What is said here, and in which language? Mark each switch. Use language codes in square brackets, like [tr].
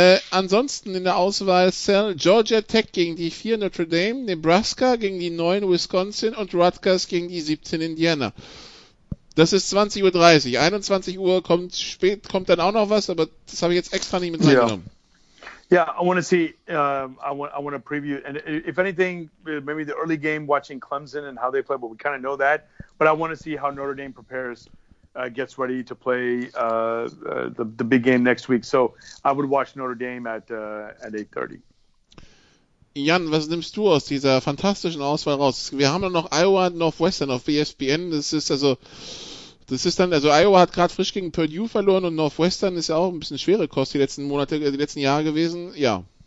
[de] Ansonsten in der Auswahl Cell Georgia Tech gegen die 4 Notre Dame, Nebraska gegen die 9 Wisconsin und Rutgers gegen die 17 Indiana. Das ist 20.30 Uhr, 21 Uhr kommt spät, kommt dann auch noch was, aber das habe ich jetzt extra nicht mit reingenommen. [en] Ja. Yeah, I want to see. I want to preview. And if anything, maybe the early game watching Clemson and how they play. But we kind of know that. But I want to see how Notre Dame prepares, gets ready to play the big game next week. So I would watch Notre Dame at 8:30. [de] Jan, was nimmst du aus dieser fantastischen Auswahl raus? Wir haben noch Iowa Northwestern auf ESPN. Das ist dann, Iowa hat gerade frisch gegen Purdue verloren und Northwestern ist ja auch ein bisschen schwere Kost die letzten Jahre gewesen, ja.